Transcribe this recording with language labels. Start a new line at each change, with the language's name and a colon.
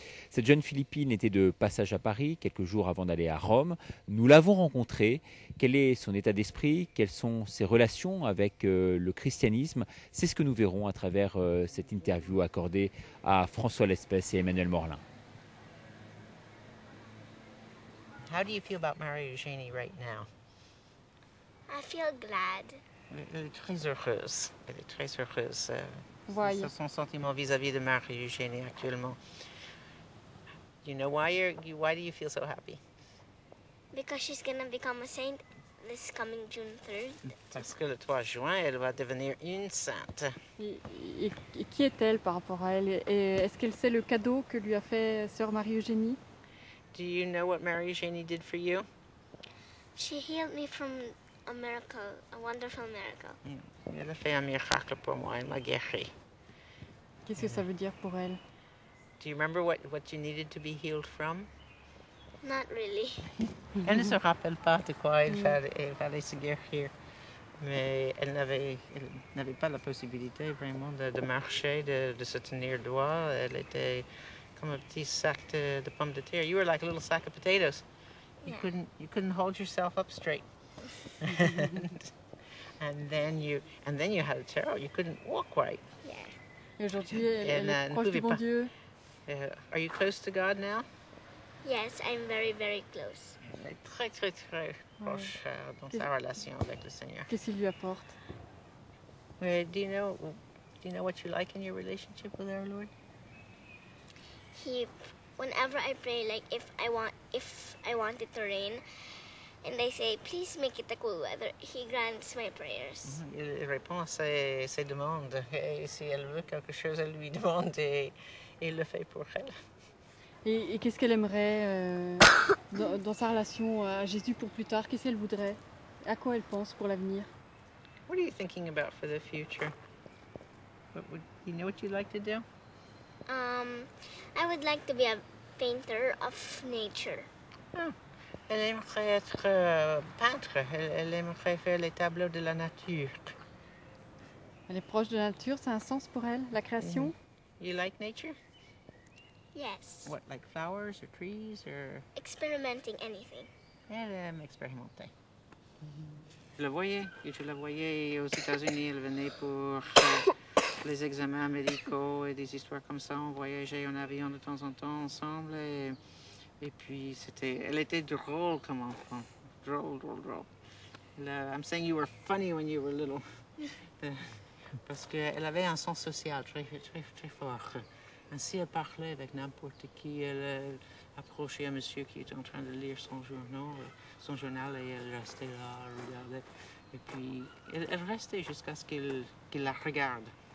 French: Cette jeune Philippine était de passage à Paris quelques jours avant d'aller à Rome. Nous l'avons rencontrée. Quel est son état d'esprit? Quelles sont ses relations avec le christianisme? C'est ce que nous verrons à travers cette interview accordée à François Lespèce et Emmanuel Morlin.
English: How do you feel about Marie Eugénie right now? I feel glad.
French: Elle est très heureuse. Elle est très heureuse.
English: Why?
French: C'est son sentiment vis-à-vis de Marie Eugénie actuellement.
English: Do you know why why do you feel so happy? Because she's going to become a saint this coming June 3rd.
French: Parce que le 3 juin, elle va devenir une sainte. Et qui est-elle par rapport à elle? Et est-ce qu'elle sait le cadeau que lui a fait Sœur Marie-Eugénie?
English: Do you know what Marie-Eugénie did for you? She healed me from a miracle, a wonderful miracle.
French: Elle a fait un miracle pour moi, elle m'a guéri. Qu'est-ce que ça veut dire pour elle?
English: Do you remember what you needed to be healed from? Not really.
French: Elle ne se rappelle pas de quoi elle fallait se guérir. Mais elle n'avait pas la possibilité vraiment de marcher, de se tenir droit. Elle était comme un petit sac de pommes de terre.
English: You were like a little sack of potatoes. Yeah. You couldn't hold yourself up straight. and then you had a terror. You couldn't walk right. Yeah.
French: Et aujourd'hui, elle est proche du bon Dieu.
English: Are you close to God now? Yes, I'm very, very close.
French: Elle est très, très, très proche dans sa relation avec le Seigneur. Qu'est-ce qu'il lui apporte?
English: Do you know what you like in your relationship with our Lord? Whenever I pray, like if I want it to rain, and they say, please make it the cool weather, he grants my prayers.
French: Il répond à ses demandes. Et si elle veut quelque chose, elle lui demande et il le fait pour elle. Et qu'est-ce qu'elle aimerait dans sa relation à Jésus pour plus tard? Qu'est-ce qu'elle voudrait? À quoi elle pense pour l'avenir?
English: What are you thinking about for the future? What would you know what you'd like to do? I would like to be a painter of nature.
French: Oh. Elle aimerait être peintre. Elle aimerait faire les tableaux de la nature. Elle est proche de la nature, ça a un sens pour elle, la création.
English: Mm-hmm. You like nature? Yes. What, like flowers or trees or? Experimenting anything.
French: Elle aime expérimenter. Mm-hmm. Tu la voyais aux États-Unis, elle venait pour les examens médicaux et des histoires comme ça. On voyageait en avion de temps en temps ensemble et puis c'était, elle était drôle comme enfant. Drôle, drôle, drôle.
English: I'm saying you were funny when you were little.
French: Parce qu'elle avait un sens social très, très, très fort. Ainsi, elle parlait avec n'importe qui. Elle approchait un monsieur qui était en train de lire son journal et elle restait là, regardait. Et puis, elle restait jusqu'à ce qu'il la regarde.